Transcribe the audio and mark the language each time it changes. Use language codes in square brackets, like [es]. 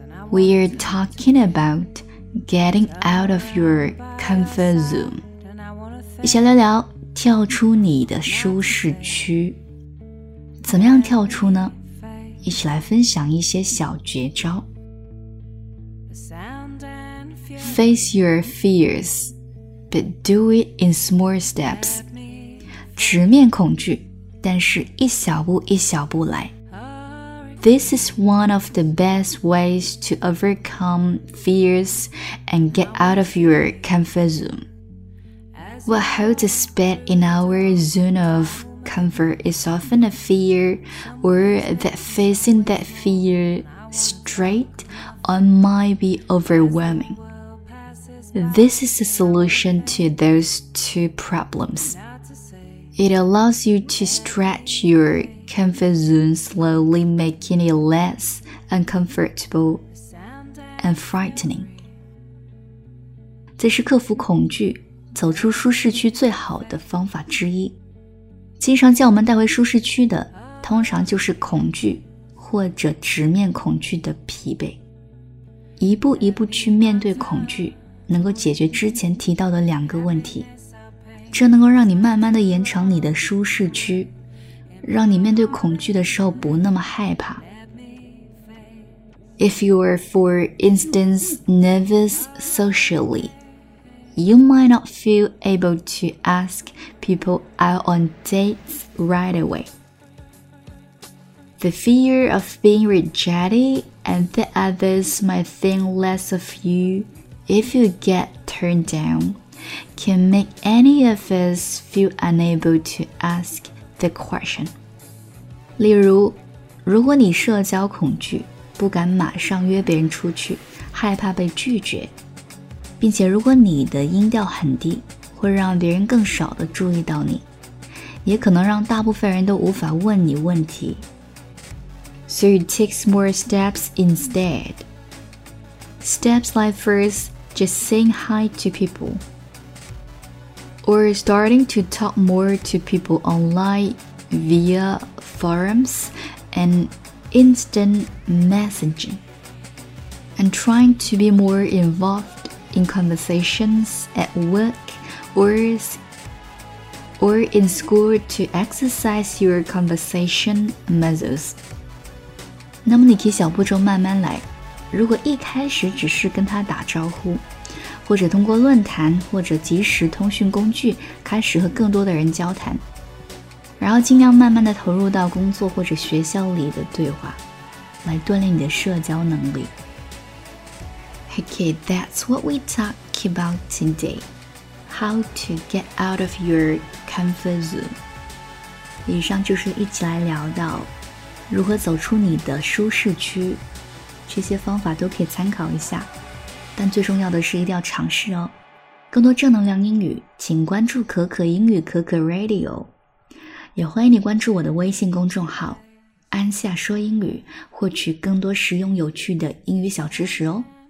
[en] We're talking about getting out of your comfort zone， [zh] 一起聊聊跳出你的舒适区。怎么样跳出呢？一起来分享一些小绝招。 [en] Face your fears, but do it in small steps. [zh] 直面恐惧，但是一小步一小步来。 [en] This is one of the best ways to overcome fears and get out of your comfort zone. What holds us back in our zone of comfort is often a fear, or that facing that fear straight on might be overwhelming. This is the solution to those two problems. It allows you to stretch your comfort zone slowly, making it less uncomfortable and frightening. [zh] 这是克服恐惧，走出舒适区最好的方法之一。经常将我们带回舒适区的，通常就是恐惧或者直面恐惧的疲惫。一步一步去面对恐惧，能够解决之前提到的两个问题，这能够让你慢慢地延长你的舒适区，让你面对恐惧的时候不那么害怕。 [en] If you are, for instance, nervous socially, you might not feel able to ask people out on dates right away. The fear of being rejected and that others might think less of you if you get turned down can make any of us feel unable to ask the question. [zh] 例如，如果你社交恐惧，不敢马上约别人出去，害怕被拒绝，并且如果你的音调很低，会让别人更少地注意到你，也可能让大部分人都无法问你问题。 [en] So you take more steps instead. Steps like first, just saying hi to people. Or starting to talk more to people online via forums and instant messaging. And trying to be more involved in conversations at work or in school to exercise your conversation muscles. [zh] 那么你可以小步骤慢慢来，如果一开始只是跟他打招呼，或者通过论坛或者即时通讯工具开始和更多的人交谈，然后尽量慢慢地投入到工作或者学校里的对话，来锻炼你的社交能力。 [en] Okay, that's what we talk about today. How to get out of your comfort zone. [zh] 以上就是一起来聊到如何走出你的舒适区，这些方法都可以参考一下，但最重要的是一定要尝试哦。更多正能量英语，请关注可可英语可可 Radio， 也欢迎你关注我的微信公众号安夏说英语，获取更多实用有趣的英语小知识哦。